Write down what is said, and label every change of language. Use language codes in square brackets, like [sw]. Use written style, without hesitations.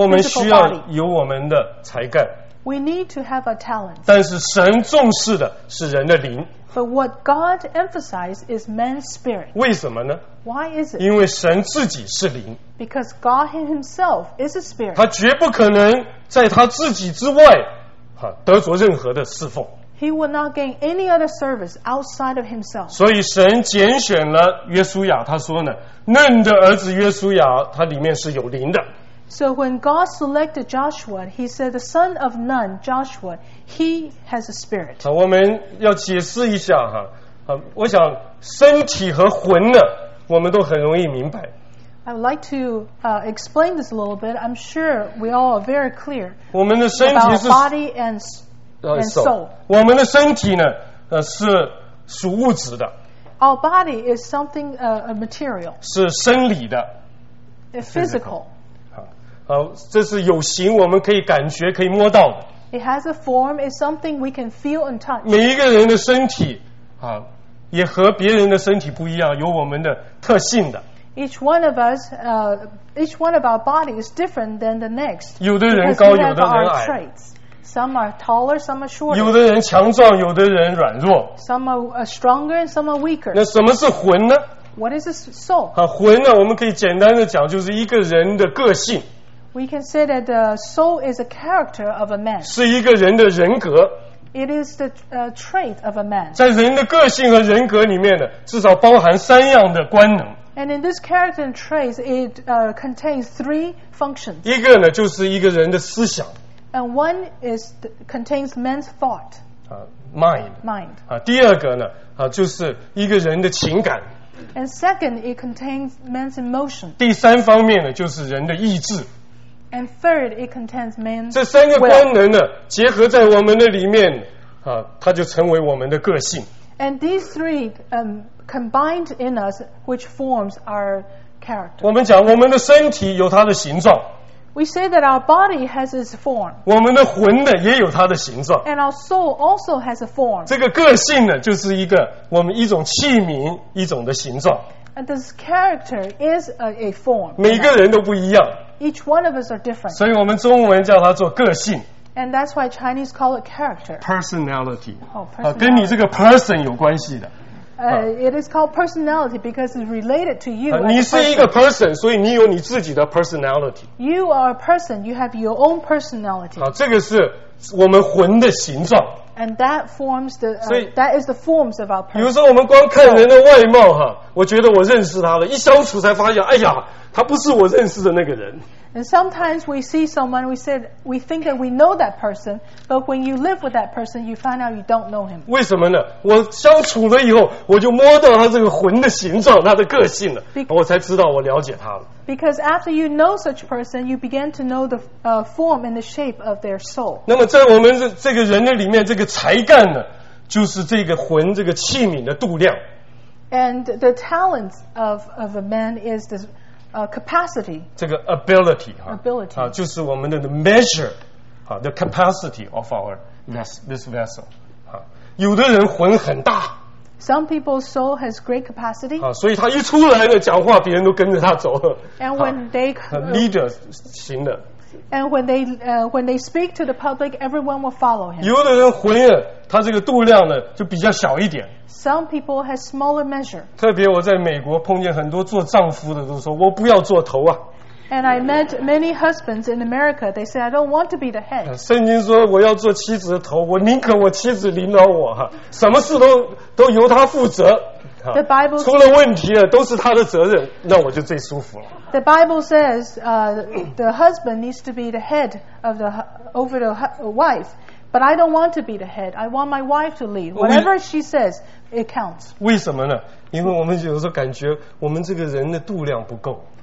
[zh] 我们需要有我们的才干。 [en] We need to have a talent. [zh] 但是神重视的是人的灵。 [en] But what God emphasizes is man's spirit. [zh] 为什么呢？ [en] Why is it? [zh] 因为神自己是灵。 [en] Because God himself is a spirit. [zh] 他绝不可能在他自己之外得着任何的侍奉。 [en] He will not gain any other service outside of himself. [zh] 所以神拣选了约书亚，他说呢，嫩的儿子约书亚，他里面是有灵的。 [en] So when God selected Joshua, he said the son of Nun, Joshua, he has a spirit. [zh] 我们要解释一下哈，我想身体和魂呢，我们都很容易明白。 [en] I would like to explain this a little bit. I'm sure we all are very clear. [zh] 我们的身体是 [en] body and soul. [zh] 我们的身体呢，是属物质的。 [en] Our body is something a material. [zh] 是生理的。 [en] Physical. [zh] 这是有形，我们可以感觉，可以摸到的。 [en] It has a form. It's something we can feel and touch. [zh] 每一个人的身体啊，也和别人的身体不一样，有我们的特性的。 [en] Each one of us, each one of our body is different than the next. [zh] 有的人高，有的人矮。 [en] Some are taller, some are shorter. [zh] 有的人强壮，有的人软弱。 [en] Some are stronger and some are weaker. [zh] 那什么是魂呢？ [en] What is a soul? [zh] 魂呢，我们可以简单的讲，就是一个人的个性。 [en] We can say that the soul is a character of a man. [zh] 是一个人的人格。 [en] It is the trait of a man. [zh] 在人的个性和人格里面呢，至少包含三样的官能。 [en] And in this character and traits, it contains three functions. [zh] 一个呢，就是一个人的思想。 [en] And one is contains man's thought. Mind. [zh] 第二个呢，就是一个人的情感。 [en] And second, it contains man's emotion. [zh] 第三方面呢，就是人的意志。 [en] And third, it contains man's. [zh] 这三个官能呢，结合在我们的里面，它就成为我们的个性。 [en] And these three combined in us, which forms our character. [zh] 我们讲我们的身体有它的形状。 [en] We say that our body has its form. [zh] 我们的魂呢也有它的形状。 [en] And our soul also has a form. [zh] 这个个性呢就是一个我们一种器皿一种的形状。 [en] And this character is a form. [zh] 每个人都不一样。 [en] Each one of us are different. [zh] 所以我们中文叫它做个性。 [en] And that's why Chinese call it character. Personality. Oh, personality. [zh] 跟你这个 person 有关系的。 [en] It is called personality because it's related to you. [zh] 你是一个 person， 所以你有你自己的 personality. [en] You are a person. You have your own personality. [zh] 这个是我们魂的形状。 [en] And that forms the. 所以 that is the forms of our person. [zh] 比如说，我们光看人的外貌哈，我觉得我认识他了，一相处才发现，哎呀，他不是我认识的那个人。 [en] And sometimes we see someone, we think that we know that person, but when you live with that person, you find out you don't know him. [zh] 为什么呢？我相处了以后，我就摸到他这个魂的形状，他的个性了，我才知道我了解他了。 [en] Because after you know such person, you begin to know the form and the shape of their soul. [zh] 那么在我们这个人的里面，这个才干呢，就是这个魂这个器皿的度量。 [en] And the talents of a man is the capacity. [zh] 这个 ability, [en] ability. [zh] 就是我们的 [en] measure, the capacity of our this vessel. [zh] 有的人魂很大。 [en] Some people's soul has great capacity. [zh] 所以他一出来的讲话别人都跟着他走。 [en] And when they [zh] leader 型的。 [en] And when they speak to the public, everyone will follow him. [zh] 有的人魂啊，他这个度量呢就比较小一点。 [en] Some people have smaller measure. [zh] 特别我在美国碰见很多做丈夫的都说我不要做头啊。 [en] And I met many husbands in America. They said I don't want to be the head. [zh] 圣经说我要做妻子的头，我宁可我妻子领导我哈，什么事都由他负责。 [en] The Bible [zh] 出了问题了都是他的责任，那我就最舒服了。 [en] The Bible says, the husband needs to be the head of the over the wife, but I don't want to be the head. I want my wife to lead. Whatever she says, it counts. [zh] 为什么呢？因为我们有时候感觉我们这个人的度量不够。